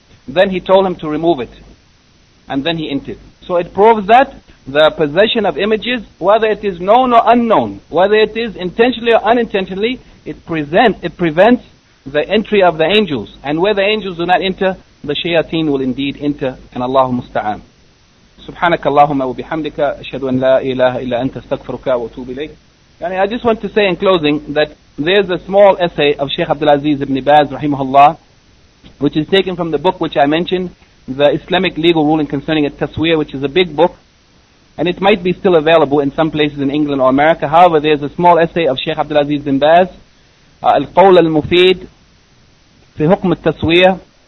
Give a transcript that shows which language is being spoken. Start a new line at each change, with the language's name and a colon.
English: Then he told him to remove it, and then he entered. So it proves that the possession of images, whether it is known or unknown, whether it is intentionally or unintentionally, it prevents the entry of the angels. And where the angels do not enter, the shayateen will indeed enter, and Allahu musta'an.
Arabic: سبحانك اللهم وبحمدك أشهد أن لا إله إلا أنت استغفرك وأتوب إليك. يعني
English: I just want to say in closing that there's a small essay of Sheikh Abdul Aziz Ibn Baz رحمه الله, which is taken from the book which I mentioned, the Islamic legal ruling concerning التسوية, which is a big book, and it might be still available in some places in England or America. However, there's a small essay of Sheikh Abdul Aziz Ibn Baz, القول المفيد في حكم التسوية.